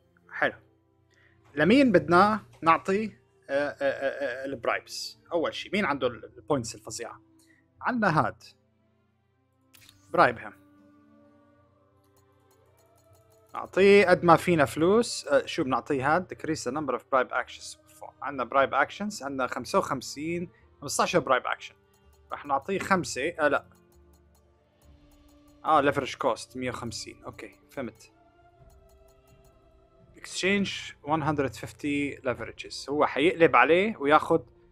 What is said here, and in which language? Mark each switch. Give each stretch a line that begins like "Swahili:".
Arabic: حلو، لمين بدنا نعطي البرايبس؟ اول شيء مين عنده البوينتس الفظيعه؟ عندنا هاد برايبهم، نعطيه قد ما فينا فلوس. شو بنعطيه هاد؟
English: decrease the number of bribe actions.
Arabic: عندنا bribe actions، عندنا 55 15 bribe action، رح نعطيه 5. لا
English: leverage cost 150،
Arabic: اوكي فهمت.
English: exchange 150 leverages،
Arabic: هو حيقلب عليه وياخد.